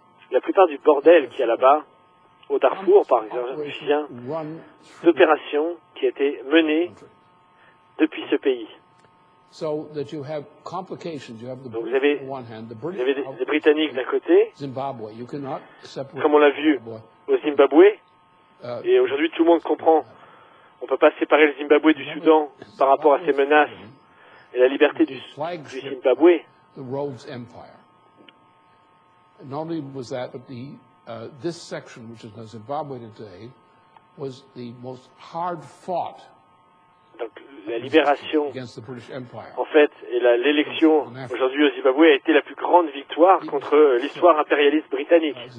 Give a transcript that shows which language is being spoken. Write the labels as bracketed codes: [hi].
[fr] La plupart du bordel qu'il y a là-bas, au Darfour, par exemple, d'opérations qui étaient menées depuis ce pays. [en] So that you have complications. You have the British on one hand, the British [fr] d'un côté, [en] Zimbabwe. You cannot separate. [fr] Comme on l'a vu au Zimbabwe, et aujourd'hui tout le monde comprend, on peut pas séparer le Zimbabwe du Soudan par rapport à ces menaces et la liberté du Zimbabwe. [en] The Rhodes Empire. Not only was that, but the this section, which is now Zimbabwe today, was the most hard fought. [fr] Donc, la libération, en fait, et l'élection aujourd'hui au Zimbabwe a été la plus grande victoire contre l'histoire impérialiste britannique.